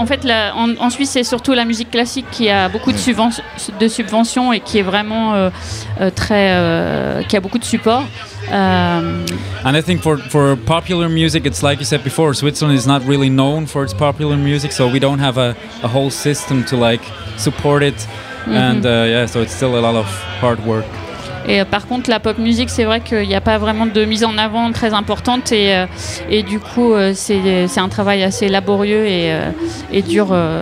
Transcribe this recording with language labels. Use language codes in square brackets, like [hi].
[fr] En fait, en Suisse, c'est surtout la musique classique qui a beaucoup de subventions et qui est vraiment très, qui a beaucoup de support. [en] And I think for popular music, it's like you said before, Switzerland is not really known for its popular music, so we don't have a whole system to like support it, and so it's still a lot of hard work. [fr] Et par contre, la pop music, c'est vrai qu'il n'y a pas vraiment de mise en avant très importante, et du coup, c'est un travail assez laborieux et dur.